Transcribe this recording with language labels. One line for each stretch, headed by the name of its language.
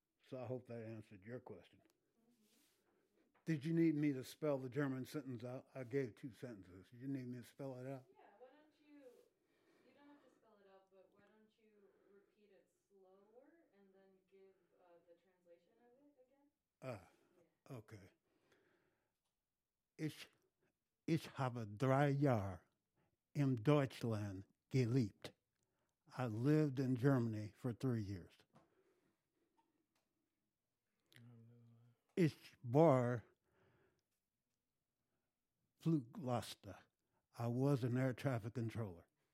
English: So I hope that answered your question. Did you need me to spell the German sentence out? I gave two sentences. Did you need me to spell it out? Yeah, why don't you, you don't have to spell it out, but why don't you repeat it slower and then give the translation of it again? Okay.
German: Ich habe drei Jahre im Deutschland gelebt.
English: I lived in Germany for 3 years.
German: Ich war Fluglaster.
English: I was an air traffic controller.